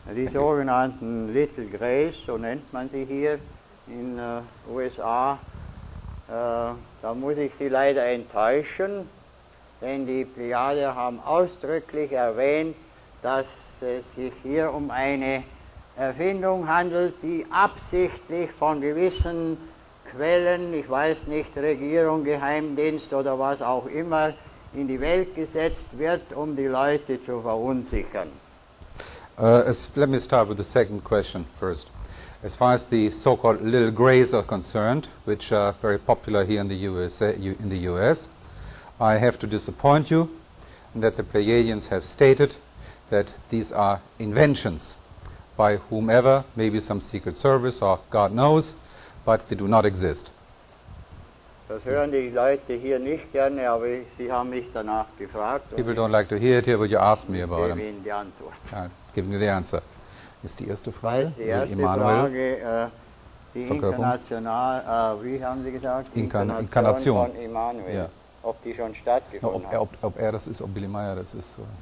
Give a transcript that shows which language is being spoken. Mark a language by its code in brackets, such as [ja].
[de] Die sogenannten Little Grays, so nennt man sie hier in den USA, da muss ich Sie leider enttäuschen, denn die Plejaden haben ausdrücklich erwähnt, dass es sich hier um eine Erfindung handelt, die absichtlich von gewissen Quellen, ich weiß nicht, Regierung, Geheimdienst oder was auch immer, in die Welt gesetzt wird, um die Leute zu verunsichern. [en] Let me start with the second question first. As far as the so-called little grays are concerned, which are very popular here in the USA, I have to disappoint you that the Pleiadians have stated that these are inventions by whomever, maybe some secret service or God knows, but they do not exist. [de] Das hören die Leute hier nicht gerne, aber sie haben mich danach gefragt. People don't like to hear it here, but you asked me about them. [en] Giving the answer. Giving you the answer. [de] Ist die erste Frage? Die Inkarnation von Emmanuel, yeah. Ob die schon stattgefunden hat. Ob Billy Meyer das ist.